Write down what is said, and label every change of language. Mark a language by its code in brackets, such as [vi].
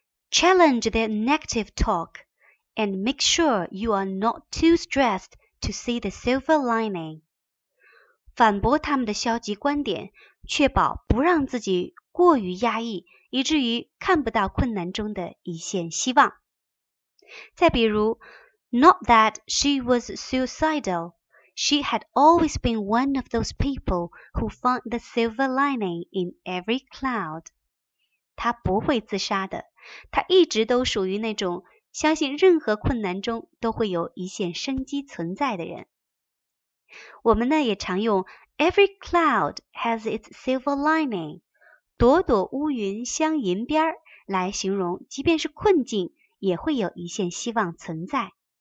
[en] Challenge their negative talk and make sure you are not too stressed to see the silver lining. [zh] 反驳他们的消极观点，确保不让自己过于压抑，以至于看不到困难中的一线希望。再比如， [en] Not that she was suicidal. She had always been one of those people who found the silver lining in every cloud. [zh] 她不会自杀的。他一直都属于那种相信任何困难中都会有一线生机存在的人。我们呢也常用 [en] Every cloud has its silver lining， [zh] 朵朵乌云镶银边，来形容即便是困境也会有一线希望存在。